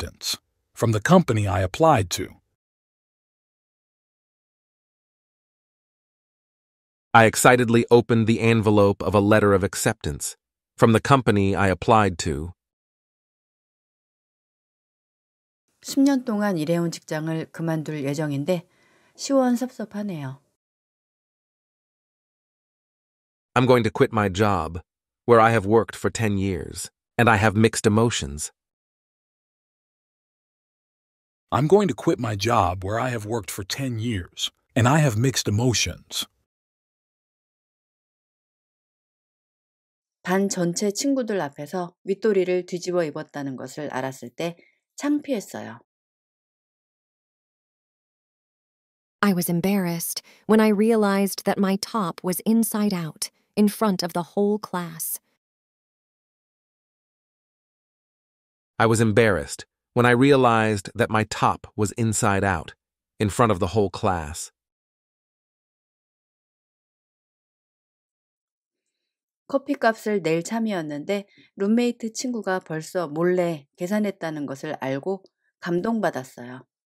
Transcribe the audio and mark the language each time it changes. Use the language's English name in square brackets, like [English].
[English] I excitedly opened the envelope of a letter of acceptance from the company I applied to. I excitedly opened the envelope of a letter of acceptance from the company I applied to. [Korean] 10년 동안 일해온 직장을 그만둘 예정인데 시원섭섭하네요. [English] I'm going to quit my job where I have worked for 10 years and I have mixed emotions. I'm going to quit my job where I have worked for 10 years and I have mixed emotions. [Korean] 반 전체 친구들 앞에서 윗도리를 뒤집어 입었다는 것을 알았을 때 창피했어요. [English] I was embarrassed when I realized that my top was inside out in front of the whole class. I was embarrassed when I realized that my top was inside out in front of the whole class. [Korean] 커피값을 낼 참이었는데 룸메이트 친구가 벌써 몰래 계산했다는 것을 알고 감동받았어요.